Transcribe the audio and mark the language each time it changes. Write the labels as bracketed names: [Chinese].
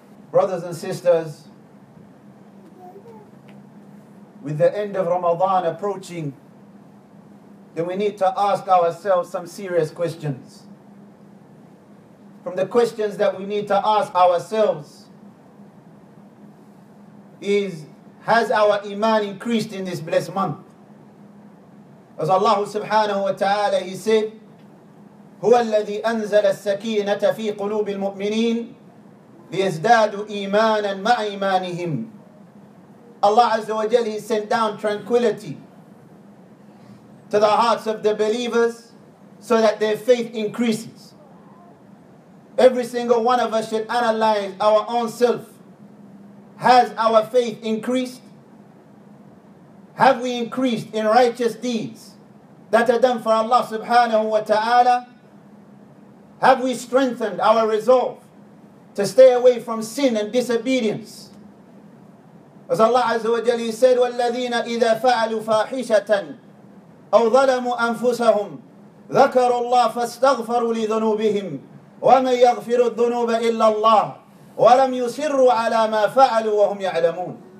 [English] Brothers and sisters, with the end of Ramadan approaching, then we need to ask ourselves some serious questions. From the questions that we need to ask ourselves is, has our iman increased in this blessed month? As Allah subhanahu wa ta'ala, he said, [Arabic] هو الذي أنزل السكينة في قلوب المؤمنين ليزدادوا إيمانا مع إيمانهم. [English] Allah Azza wa Jal, He sent down tranquility to the hearts of the believers so that their faith increases. Every single one of us should analyze our own self. Has our faith increased? Have we increased in righteous deeds that are done for Allah subhanahu wa ta'ala? Have we strengthened our resolve to stay away from sin and disobedience? As Allah Azza wa Jalla said, [Arabic] وَالَّذِينَ إِذَا فَعَلُوا فَاحِشَةً أَوْ ظَلَمُوا أَنفُسَهُمْ ذَكَرُوا اللَّهَ فَاسْتَغْفَرُوا لِذُنُوبِهِمْ وَمَنْ يَغْفِرُ الذُّنُوبَ إِلَّا اللَّهُ وَلَمْ يُصِرُّوا عَلَى مَا فَعَلُوا وَهُمْ يَعْلَمُونَ.